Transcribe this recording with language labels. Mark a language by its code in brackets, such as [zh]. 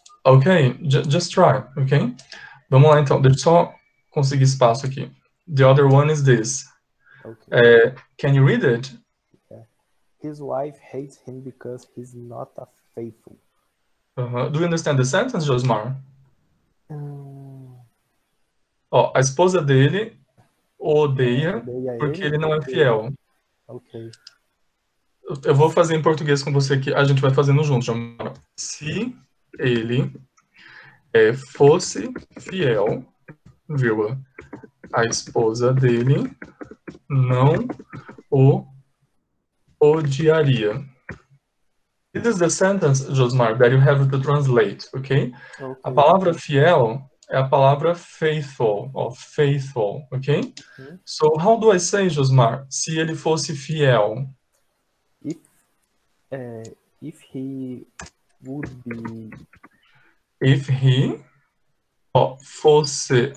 [en] Ok, just try, ok? [pt] Vamos lá, então. Deixa eu só conseguir espaço aqui. [en] The other one is this. Okay. Can you read it? His wife hates him because he's not a faithful. Uh-huh. Do you understand the sentence, Josmar? [pt] Oh, a esposa dele odeia porque ele não é fiel. [en] Ok. [pt] Eu vou fazer em português com você aqui. A gente vai fazendo junto, Josmar. Se ele fosse fiel, vírgula, a esposa dele não o odiaria. [en] This is the sentence, Josmar, that you have to translate, ok? Okay. [pt] A palavra fiel é a palavra faithful, [en] or faithful, ok? Uhum. So, how do I say, Josmar, [pt] se ele fosse fiel? [en] If he would be... If he... [pt] Ó, fosse...